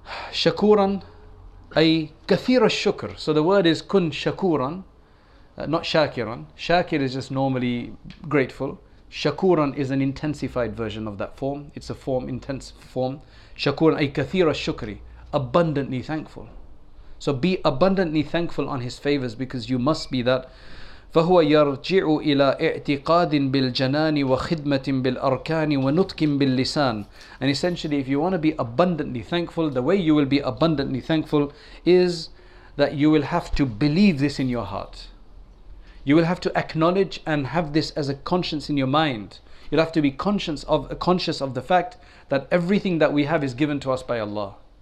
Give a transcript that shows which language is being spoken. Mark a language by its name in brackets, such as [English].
[English] Shakuran, ay kathira shukr. So the word is kun shakuran, not shakiran. Shakir is just normally grateful. Shakuran is an intensified version of that form. It's a form, intense form. Shakuran, ay kathira shukri. Abundantly thankful. So be abundantly thankful on his favors, because you must be that. [Arabic] فهو يرجع إلى اعتقاد بالجنان وخدمة بالأركان ونطق باللسان. [English] And essentially, if you want to be abundantly thankful, the way you will be abundantly thankful is that you will have to believe this in your heart. You will have to acknowledge and have this as a conscience in your mind. You'll have to be conscious of the fact that everything that we have is given to us by Allah.